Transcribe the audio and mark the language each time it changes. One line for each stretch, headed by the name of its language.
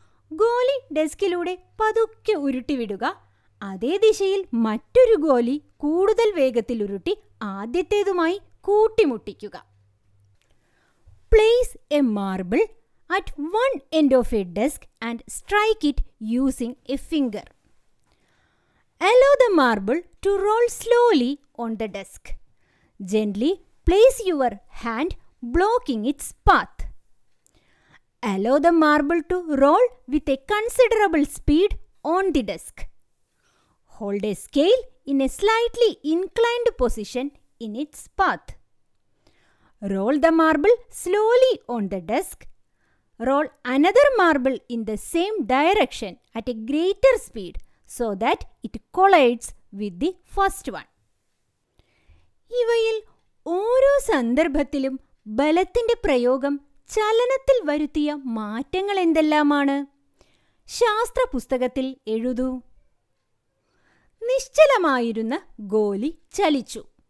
Malayalam: ഗോലി ഡെസ്കിലൂടെ പതുക്കെ ഉരുട്ടിവിടുക. അതേ ദിശയിൽ മറ്റൊരു ഗോലി കൂടുതൽ വേഗത്തിലുരുട്ടി ആദ്യത്തേതുമായി കൂട്ടിമുട്ടിക്കുക.
English: Place a marble at one end of a desk and strike it using a finger. Allow the marble to roll slowly on the desk. Gently place your hand blocking its path. Allow the marble to roll with a considerable speed on the desk. Hold a scale in a slightly inclined position in its path. Roll the marble slowly on the desk. Roll another marble in the same direction at a greater speed, so that it collides with the first one.
Malayalam: ഇവയിൽ ഓരോ സന്ദർഭത്തിലും ബലത്തിൻ്റെ പ്രയോഗം ചലനത്തിൽ വരുത്തിയ മാറ്റങ്ങൾ എന്തെല്ലാമാണ്? ശാസ്ത്ര പുസ്തകത്തിൽ എഴുതൂ. നിശ്ചലമായിരുന്ന ഗോലി ചലിച്ചു.